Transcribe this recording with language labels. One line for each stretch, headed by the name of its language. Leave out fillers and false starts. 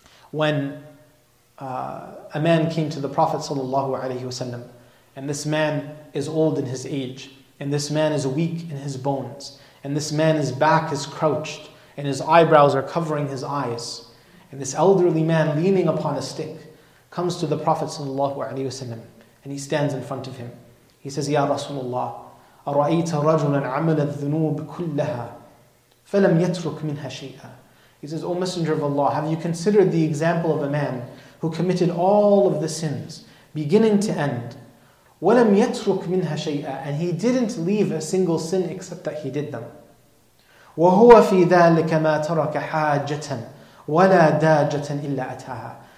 English: When a man came to the Prophet sallallahu alayhi wa sallam, and this man is old in his age, and this man is weak in his bones, and this man's back is crouched, and his eyebrows are covering his eyes, and this elderly man leaning upon a stick comes to the Prophet sallallahu alayhi wa sallam, and he stands in front of him.
Arabic: He says, Ya Rasulullah, أَرَأَيْتَ رَجُلًا عَمَلَ الذُّنُوبِ كُلَّهَا فَلَمْ يَتْرُكْ مِنْهَا شَيْئًا.
English: He says, O Messenger of Allah, have you considered the example of a man who committed all of the sins, beginning to end, وَلَمْ يَتْرُكْ مِنْهَا شَيْئًا, and he didn't leave a single sin except that he did them.
Arabic: وَهُوَ فِي ذَلِكَ مَا تَرَكَ حَاجَّةً وَلَا دَاجَّةً إِلَّا أَتَاهَا.